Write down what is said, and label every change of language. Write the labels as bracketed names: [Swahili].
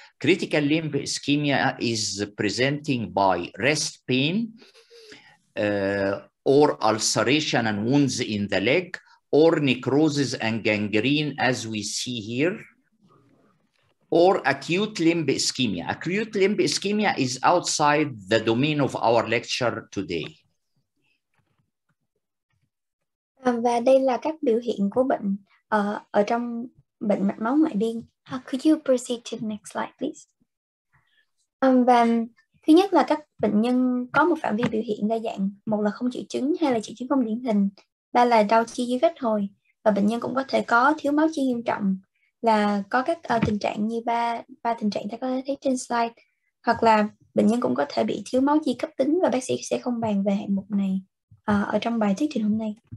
[English] Critical limb ischemia is presenting by rest pain or ulceration and wounds in the leg or necrosis and gangrene, as we see here, or acute limb ischemia. Acute limb ischemia is outside the domain of our lecture today. [Vietnamese] Và đây là các biểu hiện của bệnh ở trong bệnh mạch máu ngoại biên. [English] Could you proceed to the next slide, please? [Vietnamese] Và thứ nhất là các bệnh nhân có một phạm vi biểu hiện đa dạng, một là không triệu chứng, hai là triệu chứng không điển hình, ba là đau chi dưới gách hồi, và bệnh nhân cũng có thể có thiếu máu chi nghiêm trọng, là có các tình trạng như ba tình trạng ta có thể thấy trên slide, hoặc là bệnh nhân cũng có thể bị thiếu máu chi cấp tính, và bác sĩ sẽ không bàn về hạng mục này ở trong bài thuyết trình hôm nay.